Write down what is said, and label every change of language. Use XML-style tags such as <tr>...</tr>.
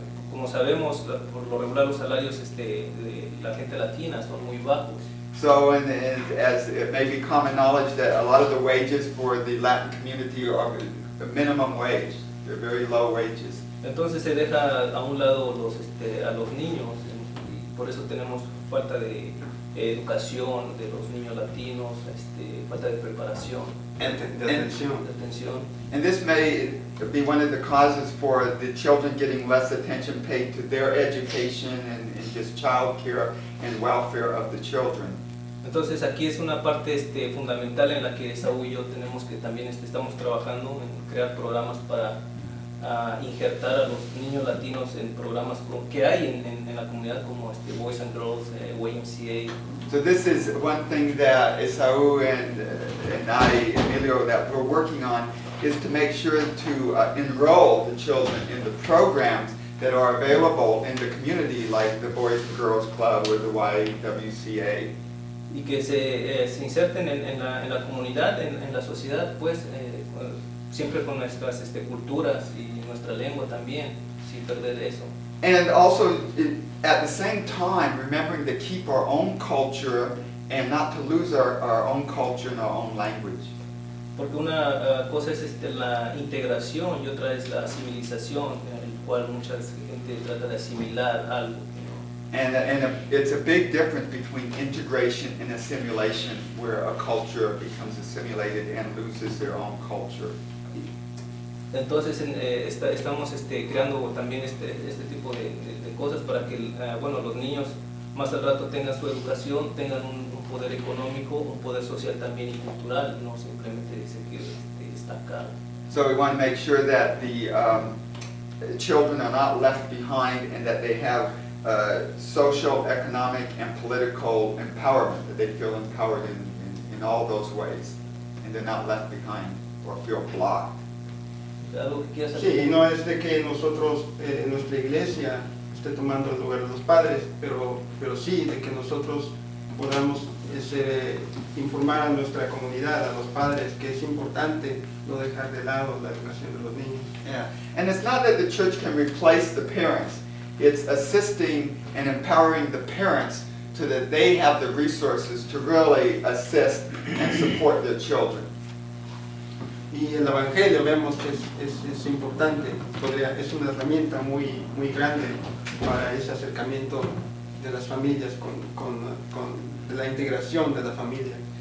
<es>Como sabemos, por lo regular los salarios de la gente latina son muy bajos.</es> <en>So, and as it may be common knowledge that a lot of the wages for the Latin community are the minimum wage. They're very low wages.</en> <es>Entonces se deja a un lado a los niños, y por eso tenemos falta de educación de los niños latinos, falta de preparación. Atención.</es> <en>And this may be one of the causes for the children getting less attention paid to their education and just child care and welfare of the children.</en> <es>Entonces aquí es una parte fundamental en la que Saúl y yo tenemos que también estamos trabajando en crear programas para injertar a los niños latinos en programas que hay en la comunidad como Boys and Girls, YMCA.</es> <en>So this is one thing that Esau and I, Emilio, that we're working on is to make sure to enroll the children in the programs that are available in the community, like the Boys and Girls Club or the YWCA.</en> <es>Y que se inserten en la comunidad, en la sociedad, pues, siempre con nuestras culturas y nuestra lengua también, sin perder eso.</es> <en>And also, at the same time, remembering to keep our own culture and not to lose our own culture and our own language.</en> <es>Porque una cosa es la integración y otra es la asimilación, en el cual mucha gente trata de asimilar algo.</es> <en>And it's a big difference between integration and assimilation, where a culture becomes assimilated and loses their own culture.</en> <es>Entonces estamos creando también este tipo de cosas para que bueno, los niños más al rato tengan su educación, tengan un poder económico, un poder social también y cultural, no simplemente sentir estancado.</es> <en>So we want to make sure that the children are not left behind and that they have social, economic, and political empowerment, that they feel empowered in all those ways, and they're not left behind or feel blocked.</en> <es>Sí, y no es de que nosotros, en nuestra iglesia, esté tomando el lugar de los padres, pero sí de que nosotros podamos informar a nuestra comunidad, a los padres, que es importante no dejar de lado la educación de los niños.</es> <en>Yeah. And it's not that the church can replace the parents. It's assisting and empowering the parents so that they have the resources to really assist and support their children.</en> <es>Y el evangelio vemos que es importante, es una herramienta muy muy grande para ese acercamiento de las familias con la integración de la familia.</es>